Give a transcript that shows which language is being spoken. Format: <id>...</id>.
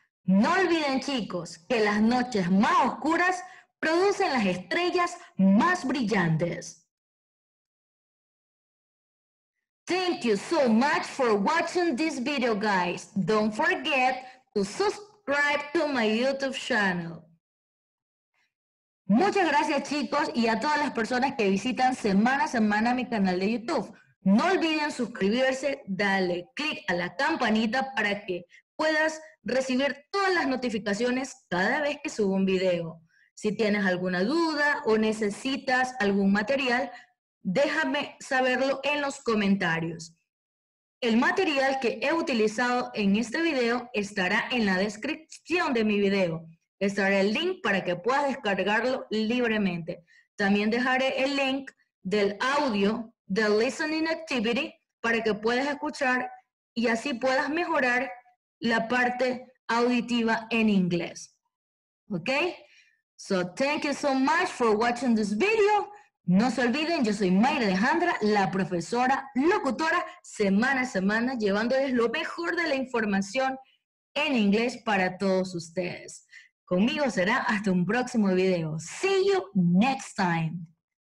<es>No olviden, chicos, que las noches más oscuras producen las estrellas más brillantes.</es> <en>Thank you so much for watching this video, guys. Don't forget to subscribe to my YouTube channel.</en> <es>Muchas gracias, chicos, y a todas las personas que visitan semana a semana mi canal de YouTube. No olviden suscribirse, dale click a la campanita para que puedas recibir todas las notificaciones cada vez que subo un video. Si tienes alguna duda o necesitas algún material, déjame saberlo en los comentarios. El material que he utilizado en este video estará en la descripción de mi video. Estará el link para que puedas descargarlo libremente. También dejaré el link del audio,</es> <en>the listening activity,</en> <es>para que puedas escuchar y así puedas mejorar la parte auditiva en inglés. Okay?</es> <en>So thank you so much for watching this video.</en> <es>No se olviden, yo soy Mayra Alejandra, la profesora locutora, semana a semana, llevándoles lo mejor de la información en inglés para todos ustedes. Conmigo será hasta un próximo video.</es> <en>See you next time.</en>